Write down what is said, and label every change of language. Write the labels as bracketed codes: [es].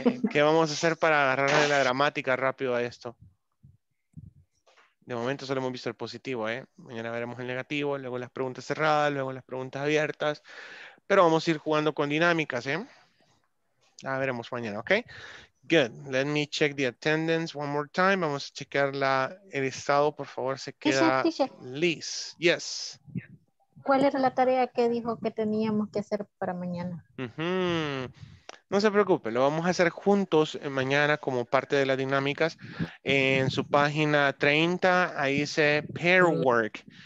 [es] ¿Qué vamos a hacer para agarrarle la gramática rápido a esto? De momento solo hemos visto el positivo, ¿eh? Mañana veremos el negativo, luego las preguntas cerradas, luego las preguntas abiertas. Pero vamos a ir jugando con dinámicas, ¿eh? Ah, veremos mañana, ok. [en] Good. Let me check the attendance one more time. [es] Vamos a chequear el estado, por favor, se queda Liz. [en] Yes. [es] ¿Cuál era la tarea que dijo que teníamos que hacer para mañana? No se preocupe, lo vamos a hacer juntos mañana como parte de las dinámicas. En su página 30, ahí dice pair work.